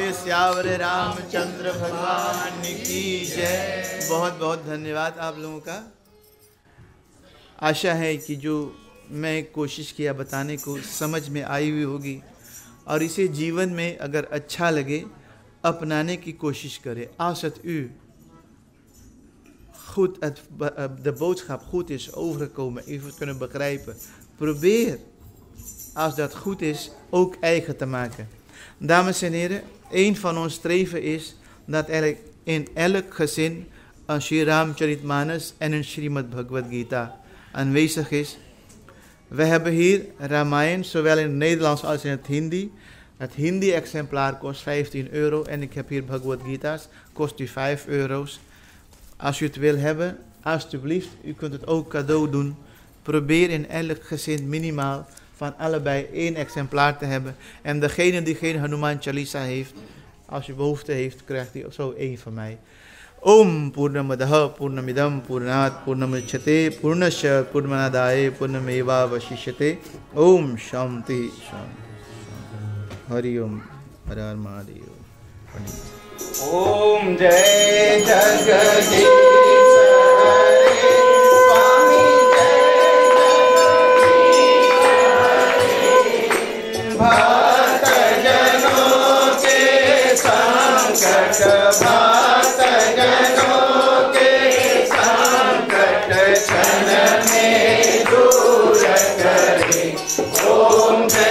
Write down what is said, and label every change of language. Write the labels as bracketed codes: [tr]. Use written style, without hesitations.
[hi] बोलिए सियावर रामचंद्र भगवान की जय। बहुत बहुत धन्यवाद आप लोगों का। आशा है कि जो मैं कोशिश किया बताने को समझ में आई हुई होगी और इसे जीवन में अगर अच्छा लगे अपनाने की कोशिश करें। [nl] आसत यू खुद de boodschap goed is overgekomen, u heeft kunnen begrijpen. Probeer, als dat goed is, ook eigen te maken. Dames en heren, een van ons streven is dat er in elk gezin een Sri Ramcharitmanas en een Srimad Bhagavad Gita aanwezig is. We hebben hier Ramayana, zowel in het Nederlands als in het Hindi. Het Hindi-exemplaar kost €15 en ik heb hier Bhagavad Gita's, kost u €5. Als u het wil hebben, alsjeblieft, u kunt het ook cadeau doen. Probeer in elk gezin minimaal van allebei één exemplaar te hebben. En degene die geen Hanuman Chalisa heeft, als u behoefte heeft, krijgt u zo één van mij. [sa] Om Purnamadah Purnamidam Purnat Purnamachate Purnasya Purnamadaye Purnameva Vashishate Om Shanti Shanti Hari ओम परमादेव [hi] पंडित ओम जय जगदीश स्वामी जय जगदीश भक्त जनों के संकट Oh,